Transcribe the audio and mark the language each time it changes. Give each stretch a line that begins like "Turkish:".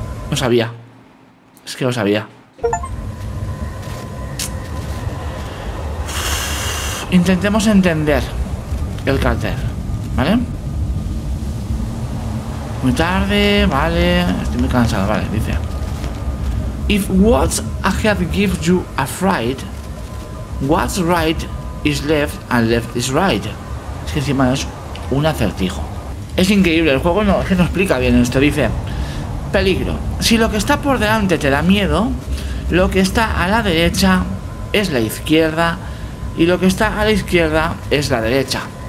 Spanish: Lo sabía. Es que lo sabía. Intentemos entender el cartel, ¿vale? Muy tarde, vale. Estoy muy cansado, vale, dice.
English: If what I have given you a fright, what's right is left and left is right.
Spanish: Es que encima es un acertijo. Es increíble, el juego no, es que no explica bien esto. Dice, peligro. Si lo que está por delante te da miedo, lo que está a la derecha es la izquierda y lo que está a la izquierda es la derecha.